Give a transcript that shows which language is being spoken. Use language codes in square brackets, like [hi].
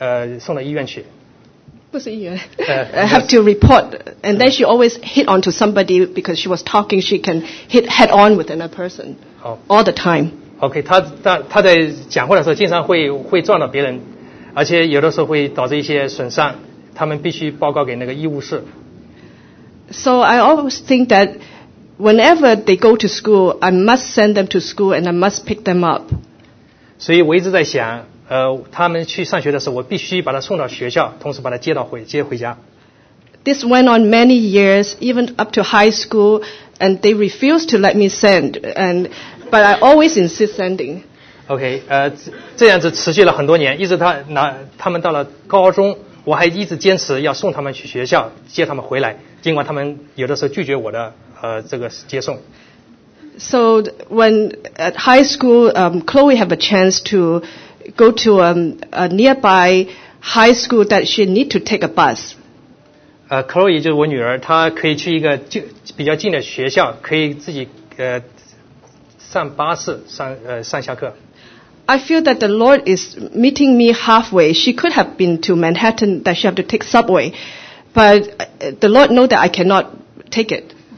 [zh] 当她一跟在学校的时候，她经常被钉子把皮肤给刮破了，老师不得不把她送到医院去。不是医院， [en] I have to report, and then she always hit onto somebody because she was talking. She can hit head on with another person all the time. [zh] Okay, 她在讲话的时候经常会撞到别人，而且有的时候会导致一些损伤，他们必须报告给那个医务室。 [en] So I always think that whenever they go to school, I must send them to school and I must pick them up. [zh] 所以我一直在想，他们去上学的时候，我必须把他送到学校，同时把他接回家。 [en] This went on many years, even up to high school, and they refused to let me send, but I always insist sending. [zh] Okay, 这样子持续了很多年，一直他们到了高中，我还一直坚持要送他们去学校，接他们回来，尽管他们有的时候拒绝我的这个接送。 [en] So when at high school, Chloe have a chance to go to a nearby high school that she need to take a bus. [zh] Chloe 就是我女儿，她可以去一个比较近的学校，可以自己上巴士上下课。 [en] I feel that the Lord is meeting me halfway. She could have been to Manhattan that she have to take subway, but the Lord know that I cannot take it.